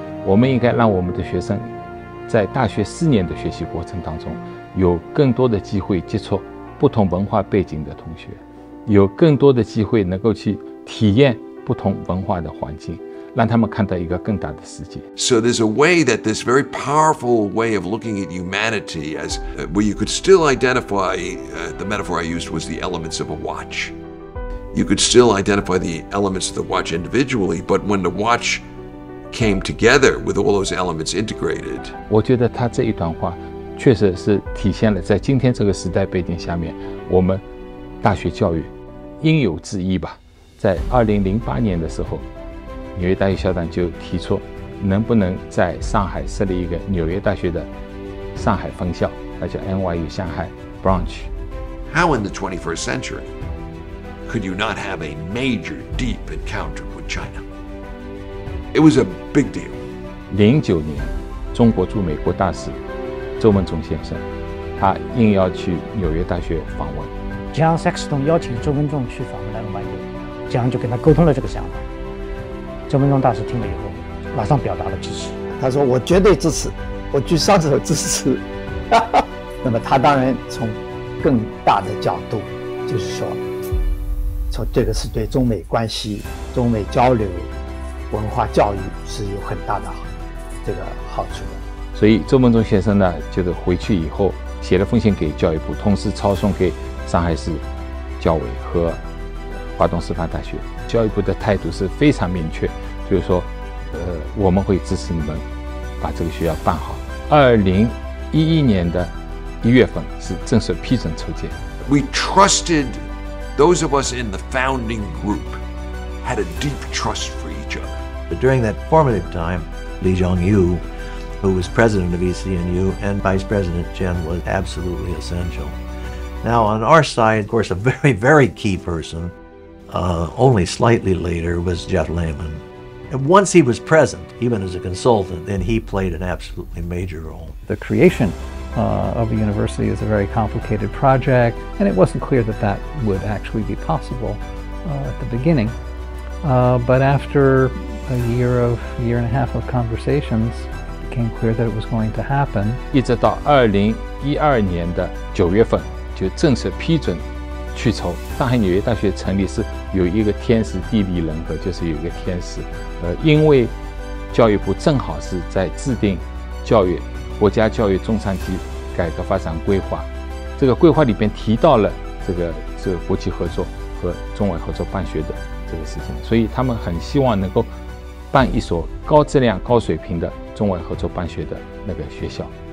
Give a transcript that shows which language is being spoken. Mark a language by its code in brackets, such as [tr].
[zh] 我们应该让我们的学生在大学4年的学习过程当中，有更多的机会接触不同文化背景的同学，有更多的机会能够去体验不同文化的环境，让他们看到一个更大的世界。 [en] So there's a way that this very powerful way of looking at humanity as where you could still identify the metaphor I used was the elements of a watch. You could still identify the elements of the watch individually, but when the watch came together with all those elements integrated. [zh] 我觉得他这一段话确实是体现了在今天这个时代背景下面，我们大学教育应有之义吧。在2008年的时候，纽约大学校长就提出，能不能在上海设立一个纽约大学的上海分校，那叫 NYU Shanghai Branch。 [en] How in the 21st century could you not have a major deep encounter with China? It was a big deal. [zh] 2009年，中国驻美国大使周文忠先生，他应邀去纽约大学访问。 John Sexton 邀请周文忠去访问 NYU， 江就跟他沟通了这个想法。周文忠大使听了以后马上表达了支持，他说我绝对支持，我举双手支持。那么他当然从更大的角度，就是说从这个是对中美关系、中美交流、文化教育是有很大的这个好处的。所以周文忠先生呢，就是回去以后写了封信给教育部，同时抄送给上海市教委和华东师范大学。教育部的态度是非常明确，就是说我们会支持你们把这个学校办好。 2011年的1月份是正式批准筹建。 [en] We trusted those of us in the founding group had a deep trust for each other. But during that formative time, Lee Jong-yu, who was president of ECNU and vice president Chen, was absolutely essential. Now on our side, of course, a very, very key person only slightly later was Jeff Lehman. And once he was present, even as a consultant, then he played an absolutely major role. The creation of a university is a very complicated project, and it wasn't clear that that would actually be possible at the beginning. But after a year and a half of conversations, it became clear that it was going to happen. [zh] 一直到2012年的9月份，就正式批准去筹。上海纽约大学成立是有一个天时地利人和，就是有一个天时，因为教育部正好是在制定教育国家教育中长期改革发展规划，这个规划里边提到了这个国际合作和中外合作办学的这个事情，所以他们很希望能够办一所高质量高水平的中外合作办学的那个学校。